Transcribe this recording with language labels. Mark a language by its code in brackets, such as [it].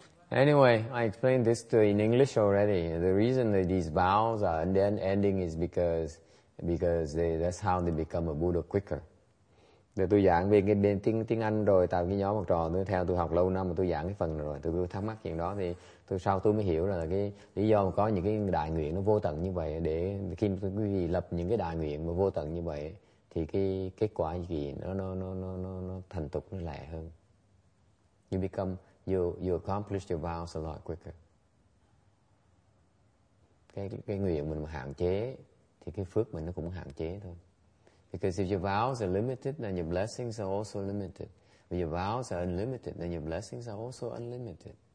[en] Anyway, I explained this to you in English already. The reason that these vows are then ending is because that's how they become a Buddha quicker. [vi] Để tôi giảng về cái bên tiếng Anh rồi, tại cái nhóm học trò tôi theo tôi học lâu năm mà tôi giảng cái phần rồi, tôi thắc mắc chuyện đó thì tôi mới hiểu là cái lý do mà có những cái đại nguyện nó vô tận như vậy, để khi quý vị lập những cái đại nguyện mà vô tận như vậy thì cái kết quả gì nó thành tục, nó lẹ hơn. [en] You accomplish your vows a lot quicker. [vi] Cái nguyện mình mà hạn chế thì cái phước mình nó cũng hạn chế thôi. [en] Because if your vows are limited, then your blessings are also limited. If your vows are unlimited, then your blessings are also unlimited.